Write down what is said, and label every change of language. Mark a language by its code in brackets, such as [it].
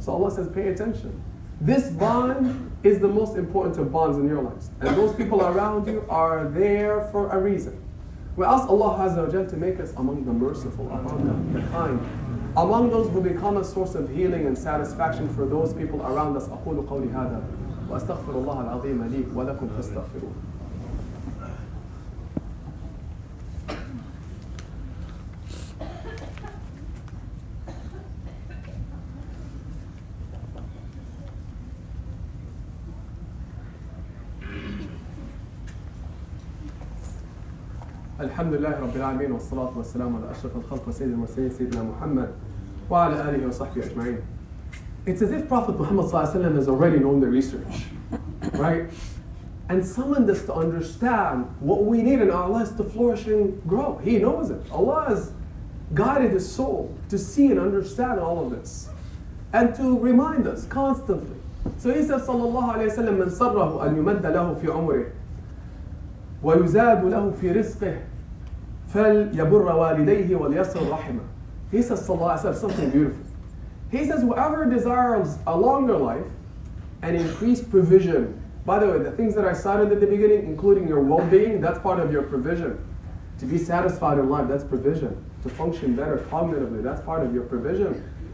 [en] So Allah says, pay attention. This bond is the most important of bonds in your lives. And those people around you are there for a reason. We ask Allah Azza wa Jalla to make us among the merciful, among the kind, among those who become a source of healing and satisfaction for those people around us. [ar] أقول قولي هذا وأستغفر الله العظيم لي ولكم فاستغفروه. الحمد لله رب العالمين والصلاة والسلام على أشرف الخلق وسيد المرسلين سيدنا محمد وعلى آله وصحبه أجمعين. [en] It's as if Prophet Muhammad [ar] صلى الله عليه وسلم [en] has already known the research, right? And summoned us to understand what we need in our lives to flourish and grow. He knows it. Allah has guided his soul to see and understand all of this and to remind us constantly. So he says, [ar] صلى الله عليه وسلم من صبره أن يمد له في عمره وَيُزَادُ لَهُ فِي رِزْقِهِ فَلْيَبُرَّ وَالِدَيْهِ وَلْيَصِرْ رَحِمًا. [en] He says, [ar] صلى الله عليه وسلم, [en] something beautiful. He says, whoever desires a longer life and increased provision, by the way, the things that I cited at the beginning, including your well-being, that's part of your provision. To be satisfied in life, that's provision. To function better cognitively, that's part of your provision.